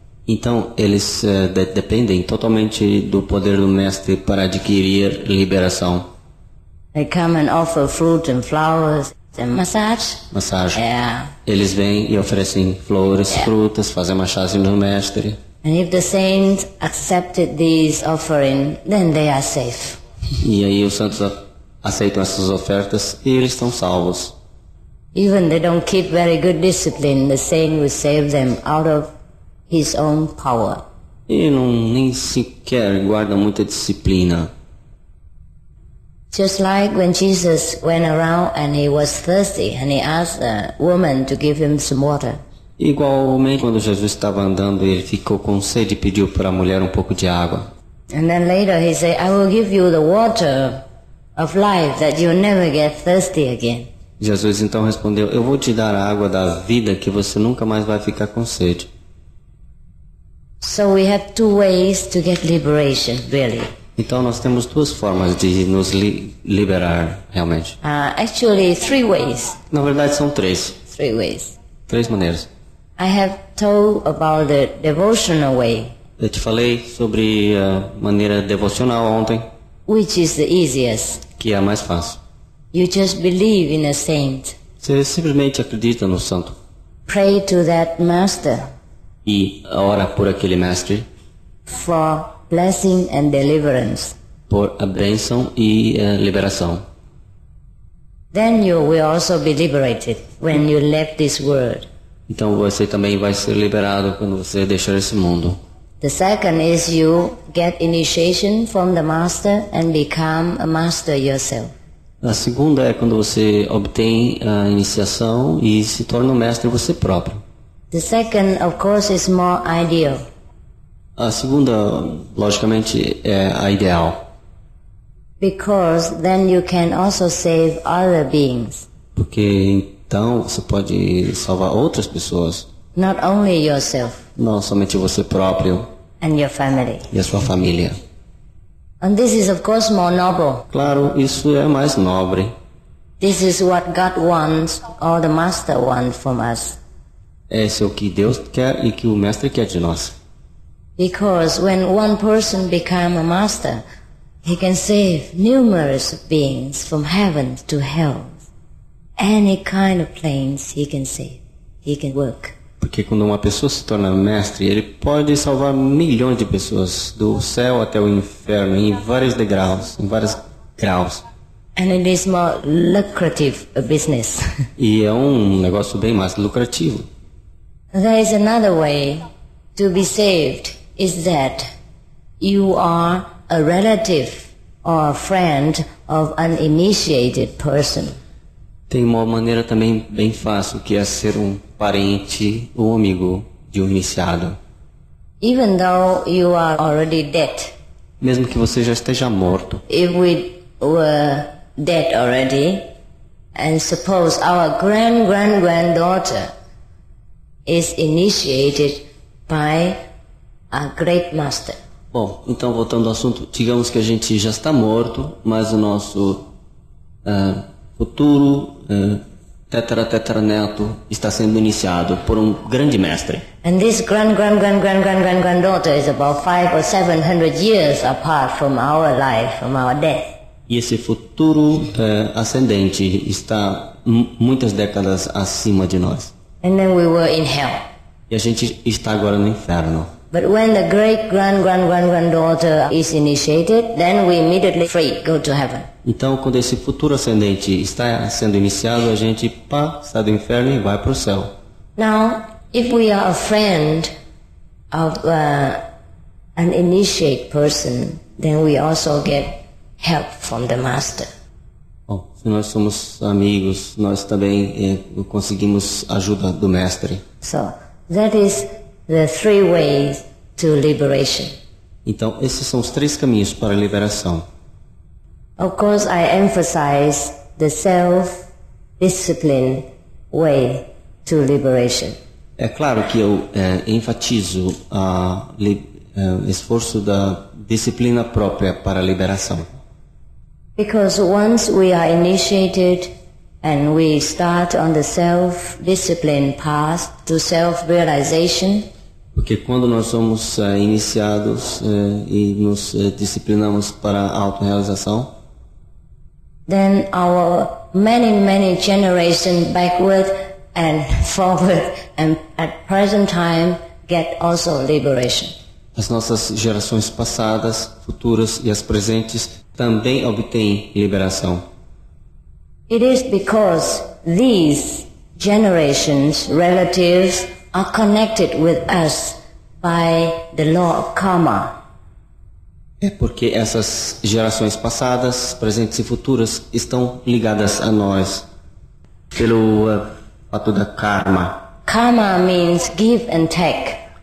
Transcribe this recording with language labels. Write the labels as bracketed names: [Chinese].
[Portuguese] Então eles dependem totalmente do poder do mestre para adquirir liberação. [English] They come and offer fruit and flowers. [Portuguese] Massagem. Yeah. Eles vêm e oferecem flores, yeah, frutas, fazem massagem no mestre. [English] And if the saint accepted this offering, then they are safe. [Portuguese] E aí os santos aceitam essas ofertas e eles estão salvos. [English] Even they don't keep very good discipline, the saint will save them out of his own power. [Portuguese] E não nem sequer guarda muita disciplina. [English] Just like when Jesus went around and he was thirsty and he asked a woman to give him some water. [Portuguese] Igualmente quando Jesus estava andando ele ficou com sede e pediu para a mulher um pouco de água. [English] And then later he said, I will give you the water of life that you'll never get thirsty again. [Portuguese] Jesus então respondeu, eu vou te dar a água da vida que você nunca mais vai ficar com sede. [English] So we have two ways to get liberation, really. [Portuguese] Então nós temos duas formas de nos liberar realmente. [English] Actually, three ways. [Portuguese] Na verdade são três. [English] Three ways. [Portuguese] Três maneiras. [English] I have told about the devotional way. [Portuguese] Eu te falei sobre a maneira devocional ontem. [English] Which is the easiest? [Portuguese] Que é a mais fácil. [English] You just believe in a saint. [Portuguese] Você simplesmente acredita no santo. [English] Pray to that master. [Portuguese] E ora por aquele mestre. [English] For blessing and deliverance. [Portuguese] Por a bênção e a liberação. [English] Then you will also be liberated when you left this world. [Portuguese] Então você também vai ser liberado quando você deixar esse mundo. [English] The second is you get initiation from the master and become a master yourself. [Portuguese] A segunda é quando você obtém a iniciação e se torna um mestre você próprio. [English] The second, of course, is more ideal. [Portuguese] A segunda, logicamente, é a ideal. [English] Because then you can also save other beings. [Portuguese] Porque então você pode salvar outras pessoas. [English] Not only yourself. [Portuguese] Não somente você próprio. [English] And your family. [Portuguese] E a sua família. [English] And this is of course more noble. [Portuguese] Claro, isso é mais nobre. [English] This is what God wants or the master wants from us. [Portuguese] Esse é o que Deus quer e que o mestre quer de nós. [English] Because when one person becomes a master, he can save numerous beings from heaven to hell. Any kind of planes he can save. He can work. [Portuguese] Porque quando uma pessoa se torna mestre, ele pode salvar milhões de pessoas, do céu até o inferno, em vários degraus, em vários graus. [English] And it is more lucrative a business. [Portuguese] E é um negócio bem mais lucrativo. [English] There is another way to be saved, is that you are a relative or a friend of an initiated person. [Portuguese] Tem uma maneira também bem fácil, que é ser um parente ou amigo de um iniciado. [English] Even though you are already dead. [Portuguese] Mesmo que você já esteja morto. [English] If we were dead already, and suppose our grand-grand-granddaughter is initiated by a great master. [Portuguese] Bom, então voltando ao assunto, digamos que a gente já está morto, mas o nosso futuro tetra-tetra-neto está sendo iniciado por um grande mestre. [English] And this grand-grand-grand-grand-grand-grand-granddaughter is about 500 or 700 years apart from our life, from our death. [Portuguese] E esse futuro ascendente está muitas décadas acima de nós. [English] And then we were in hell. [Portuguese] E a gente está agora no inferno. [English] But when the great grand-grand-grand-granddaughter is initiated, then we immediately free, go to heaven. [Portuguese] Então, quando esse futuro ascendente está sendo iniciado, a gente passa do inferno e vai para o céu. [English] Now, if we are a friend of an initiate person, then we also get help from the master. [Portuguese] Bom, se nós somos amigos, nós também conseguimos ajuda do mestre. [English] So, that is the three ways to liberation. [Portuguese] Então, esses são os três caminhos para a liberação. [English] Of course, I emphasize the self-discipline way to liberation. [Portuguese] É claro que eu enfatizo o esforço da disciplina própria para a liberação. [English] Because once we are initiated and we start on the self-discipline path to self-realization. [Portuguese] Porque quando nós somos iniciados e nos disciplinamos para a autorrealização, [English] then our many, many generations backward and forward, and at present time get also liberation. [Portuguese] As nossas gerações passadas, futuras e as presentes também obtêm liberação. [English] It is because these generations' relatives are connected with us by the law of karma. [Portuguese] É porque essas gerações passadas, presentes e futuras estão ligadas a nós pelo fato da karma. [English] Karma means give and take.